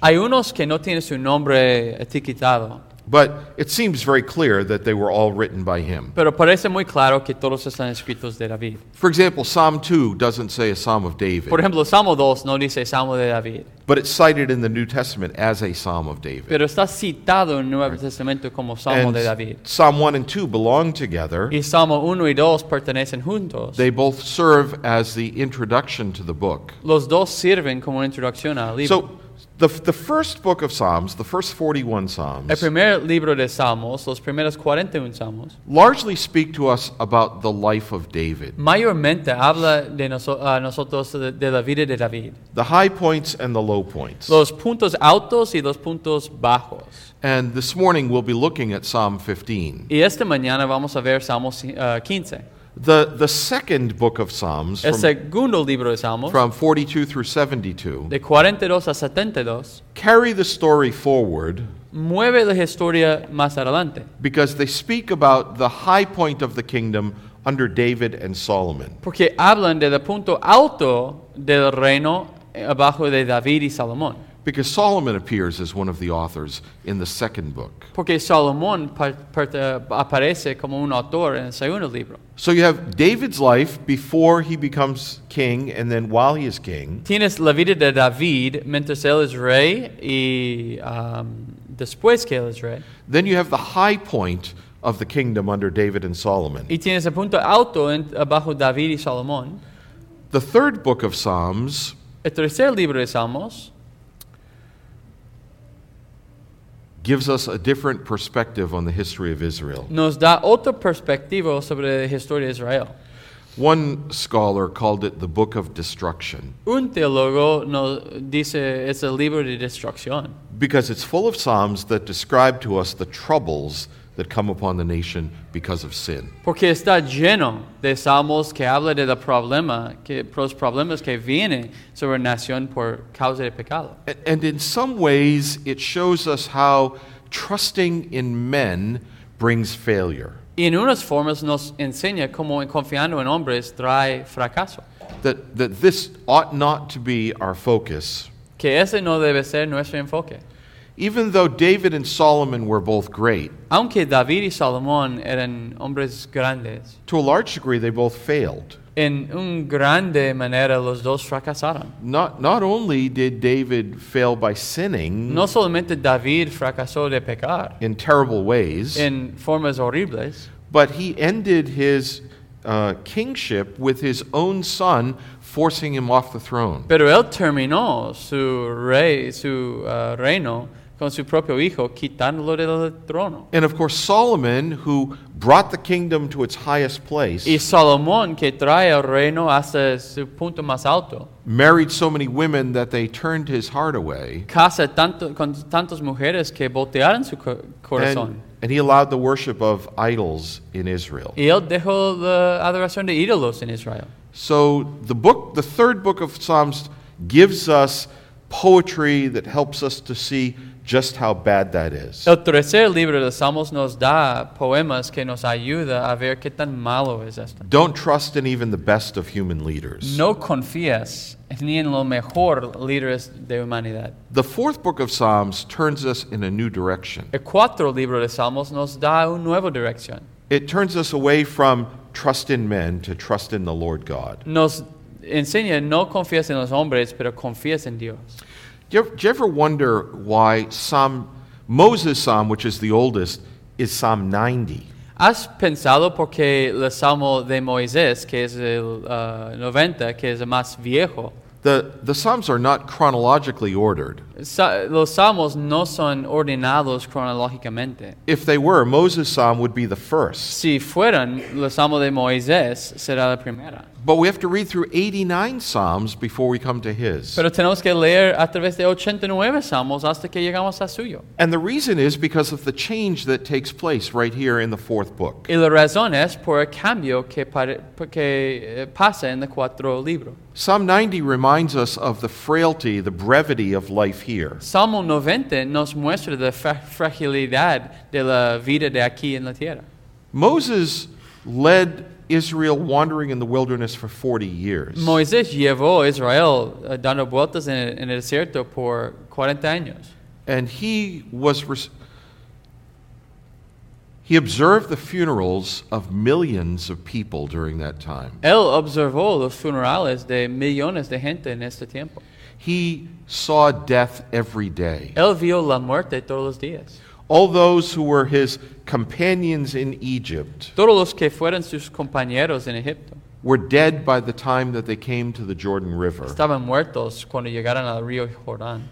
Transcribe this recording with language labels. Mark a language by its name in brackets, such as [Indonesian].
[Spanish] Hay unos que no tienen su nombre etiquetado. [English] But it seems very clear that they were all written by him. [Spanish] Pero parece muy claro que todos están escritos de David. [English] For example, Psalm 2 doesn't say a Psalm of David. [Spanish] Por ejemplo, Salmo 2 no dice Salmo de David. [English] But it's cited in the New Testament as a Psalm of David. [Spanish] Pero está citado en el Nuevo Testamento como Salmo [English] and [Spanish] de David. [English] Psalm 1 and 2 belong together. [Spanish] Y Salmo 1 y 2 pertenecen juntos. [English] They both serve as the introduction to the book. [Spanish] Los dos sirven como una introducción al libro. [English] So, The first book of Psalms, the first 41 Psalms, [Spanish] el primer libro de Salmos, los primeros 41 Salmos, [English] largely speak to us about the life of David. [Spanish] Mayormente habla de nosotros de la vida de David. [English] The high points and the low points. [Spanish] Los puntos altos y los puntos bajos. [English] And this morning we'll be looking at Psalm 15. [Spanish] Y esta mañana vamos a ver Salmo 15. [English] The second book of Psalms, [Spanish] el segundo libro de Salmos, [English] from 42 through 72, [Spanish] de 42 a 72, [English] carry the story forward, [Spanish] mueve la historia más adelante, [English] because they speak about the high point of the kingdom under David and Solomon. [Spanish] Porque hablan de el punto alto del reino abajo de David y Salomón. [English] Because Solomon appears as one of the authors in the second book. [Spanish] Porque Salomón aparece como un autor en el segundo libro. [English] So you have David's life before he becomes king, and then while he is king. [Spanish] Tienes la vida de David mientras él es rey y después que él es rey. [English] Then you have the high point of the kingdom under David and Solomon. [Spanish] Y tienes el punto alto bajo David y Salomón. [English] The third book of Psalms. [Spanish] El tercer libro de Salmos. [English] Gives us a different perspective on the history of Israel. [Spanish] Nos da otra perspectiva sobre la historia de Israel. [English] One scholar called it the book of destruction. [Spanish] Un teólogo nos dice es el libro de destrucción. [English] Because it's full of psalms that describe to us the troubles that come upon the nation because of sin. [Spanish] Porque está lleno de salmos que habla de la problema, que los problemas que vienen sobre la nación por causa de pecado. [English] And in some ways, it shows us how trusting in men brings failure. [Spanish] Y en unas formas nos enseña cómo confiando en hombres trae fracaso. [English] That this ought not to be our focus. [Spanish] Que ese no debe ser nuestro enfoque. [English] Even though David and Solomon were both great, [Spanish] aunque David y Salomón eran hombres grandes, [English] to a large degree they both failed. [Spanish] En un grande manera los dos fracasaron. [English] Not only did David fail by sinning, [Spanish] no solamente David fracasó de pecar, [English] in terrible ways, [Spanish] en formas horribles, [English] but he ended his kingship with his own son forcing him off the throne. [Spanish] Pero él terminó su rey, su reino con su propio hijo quitándolo del trono. [English] And of course Solomon, who brought the kingdom to its highest place. [Spanish] Y Salomón, que trae el reino hasta su punto más alto. [English] Married so many women that they turned his heart away. [Spanish] Casa tanto con tantas mujeres que voltearon su corazón. [English] And he allowed the worship of idols in Israel. [Spanish] Y él dejó la adoración de ídolos en Israel. [English] So the third book of Psalms gives us poetry that helps us to see just how bad that is. [Spanish] El tercer libro de Salmos nos da poemas que nos ayuda a ver qué tan malo es esto. [English] Don't trust in even the best of human leaders. [Spanish] No confías ni en los mejores líderes de humanidad. [English] The fourth book of Psalms turns us in a new direction. [Spanish] El cuarto libro de Salmos nos da una nueva dirección. [English] It turns us away from trust in men to trust in the Lord God. [Spanish] Nos enseña no confías en los hombres, pero confías en Dios. [English] Do you ever wonder why Moses' Psalm, which is the oldest, is Psalm 90? [Spanish] ¿Has pensado por qué el Salmo de Moisés, que es el 90, que es el más viejo? [English] The Psalms are not chronologically ordered. [Spanish] Los Salmos no son ordenados cronológicamente. [English] If they were, Moses' Psalm would be the first. [Spanish] Si fueran, el Salmo de Moisés será la primera. [English] But we have to read through 89 Psalms before we come to his. [Spanish] Pero tenemos que leer a través de 89 Salmos hasta que llegamos a suyo. [English] And the reason is because of the change that takes place right here in the fourth book. [Spanish] Y la razón es por el cambio que pasa en el cuarto libro. [English] Psalm 90 reminds us of the frailty, the brevity of life here. [Spanish] Salmo 90 nos muestra la fragilidad de la vida de aquí en la tierra. [English] Moses led Israel wandering in the wilderness for 40 years. [Spanish] Moisés llevó a Israel dando vueltas en el desierto por 40 años. [English] And he was he observed the funerals of millions of people during that time. [Spanish] Él observó los funerales de millones de gente en este tiempo. [English] He saw death every day. [Spanish] Él vio la muerte todos los días. [English] All those who were his companions in Egypt, [Spanish] todos los que fueron sus compañeros en Egipto, [English] were dead by the time that they came to the Jordan River. [Spanish] Estaban muertos cuando llegaron al río Jordán.